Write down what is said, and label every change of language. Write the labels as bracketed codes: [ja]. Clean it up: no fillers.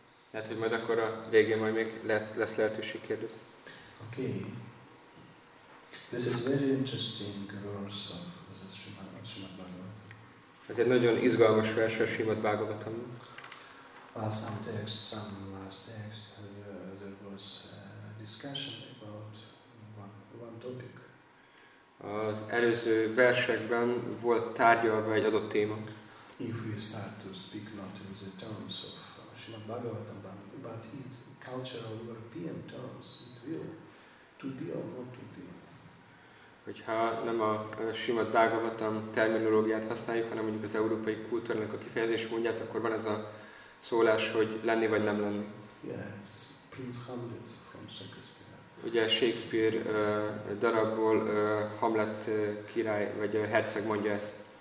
[hu] Lehet, hogy majd akkor a végén majd még lesz lehetőség kérdezni. [en] Okay. This is very interesting verse of Srimad Bhagavatam. [hu] Ez egy nagyon izgalmas vers a Srimad Bhagavatamban. [en] Some last text, there was discussion about one topic. [hu] Az előző versekben volt tárgyalva egy adott téma. [en] If we start to speak not in the terms of Srimad Bhagavatam, but in cultural European terms, it will to be or not to be. [hu] Hogyha nem a Srimad Bhagavatam terminológiát használjuk, hanem mondjuk az európai kultúrának a kifejezés mondját, akkor van ez a szólás, hogy lenni vagy nem lenni. [en] Yes, Prince Hamlet from Shakespeare. [hu] Ugye Shakespeare darabból Hamlet király vagy herceg mondja ezt.